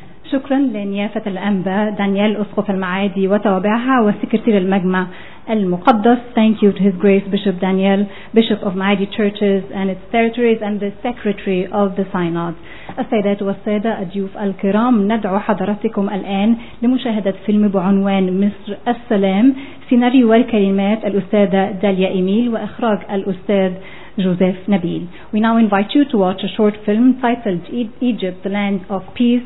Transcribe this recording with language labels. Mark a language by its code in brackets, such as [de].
[ar] شكرا لنيافة الأنباء دانيال أسقف المعادي وتوابعها وسكرتير المجمع المقدس. [en] Thank you to His Grace Bishop Daniel, Bishop of Maadi Churches and its territories and the Secretary of the Synod. [ar] السيدات والسادة الضيوف الكرام، ندعو حضرتكم الآن لمشاهدة فيلم بعنوان مصر السلام، سيناريو والكلمات الأستاذة داليا إيميل وإخراج الأستاذ Joseph Nabil. [en] We now invite you to watch a short film titled Egypt, the Land of Peace.